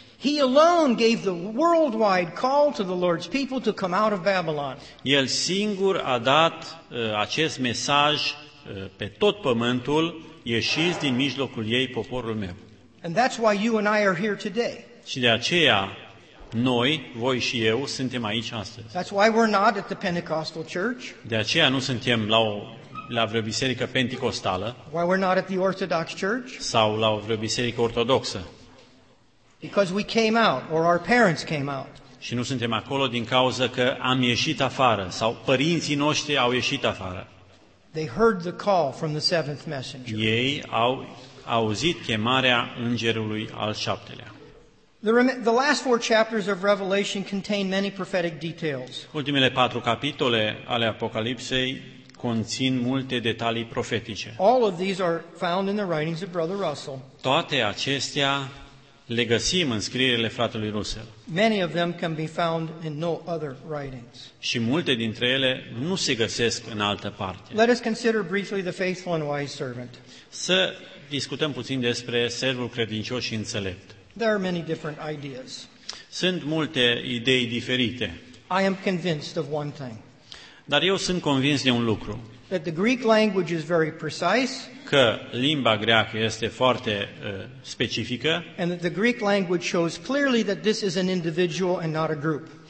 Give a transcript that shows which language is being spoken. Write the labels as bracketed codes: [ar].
[en] He alone gave the worldwide call to the Lord's people to come out of Babylon. [ro] El singur a dat acest mesaj pe tot pământul, ieșiți din mijlocul ei poporul meu. [en] And that's why you and I are here today. [ro] Și de aceea noi, voi și eu, suntem aici astăzi. [en] That's why we're not at the Pentecostal church. [ro] De aceea nu suntem la o la vreo biserică penticostală [en] why we're not at the Orthodox Church? [ro] Sau la o vreo biserică ortodoxă. [en] Because we came out, or our parents came out. [ro] Și nu suntem acolo din cauza că am ieșit afară sau părinții noștri au ieșit afară. [en] They heard the call from the seventh messenger. [ro] Ei au auzit chemarea îngerului al șaptelea. [en] The last four chapters of Revelation contain many prophetic details. [ro] Ultimele patru capitole ale Apocalipsei conțin multe detalii profetice. [en] All of these are found in the writings of Brother Russell. [ro] Toate acestea le găsim în scrierile fratelui Russell. [en] Many of them can be found in no other writings. [ro] Și multe dintre ele nu se găsesc în altă parte. [en] Let us consider briefly the faithful and wise servant. [ro] Să discutăm puțin despre servul credincios și înțelept. [en] There are many different ideas. [ro] Sunt multe idei diferite. [en] I am convinced of one thing. [ro] Dar eu sunt convins de un lucru. [en] That the Greek language is very precise. [ro] Că limba greacă este foarte specifică. [en] And that the Greek language shows clearly that this is an individual and not a group.